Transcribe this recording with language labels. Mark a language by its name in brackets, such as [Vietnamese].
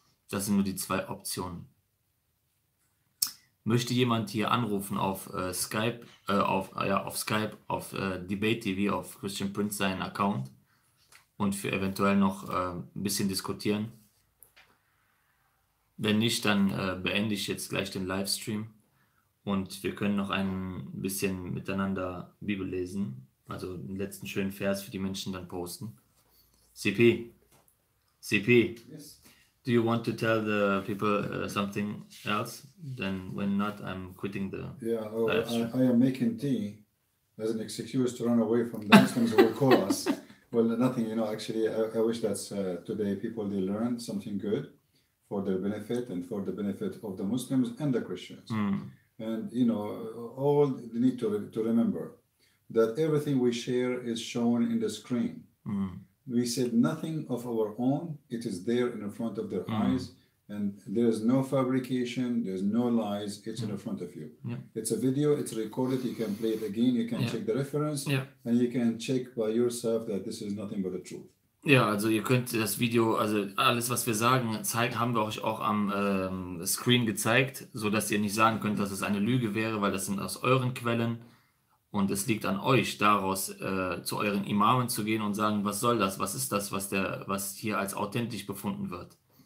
[German] Das sind nur die zwei Optionen. Möchte jemand hier anrufen auf Skype, auf Debate TV, auf Christian Prince seinen Account und für eventuell noch ein bisschen diskutieren? Wenn nicht, dann beende ich jetzt gleich den Livestream und wir können noch ein bisschen miteinander Bibel lesen, also den letzten schönen Vers für die Menschen dann posten. [English] CP. Yes. Do you want to tell the people something else? Then when not, I'm quitting the... Yeah, I am making tea as an excuse to run away from the Muslims who will call us. Well, nothing, you know, actually, I wish that today people they learn something good for their benefit and for the benefit of the Muslims and the Christians. Mm. And, you know, all they need to remember that everything we share is shown in the screen. Mm. We said nothing of our own. It is there in the front of their eyes. And there is no fabrication. There's no lies. It's in the front of you. Yeah. It's a video. It's recorded. You can play it again. You can check the reference. Yeah. And you can check by yourself that this is nothing but the truth. [German] Ja, also ihr könnt das Video, also alles, was wir sagen, zeigen, haben wir euch auch am Screen gezeigt, sodass ihr nicht sagen könnt, dass es eine Lüge wäre, weil das sind aus euren Quellen. Und es liegt an euch, daraus zu euren Imamen zu gehen und sagen, was soll das, was ist das, was hier als authentisch befunden wird.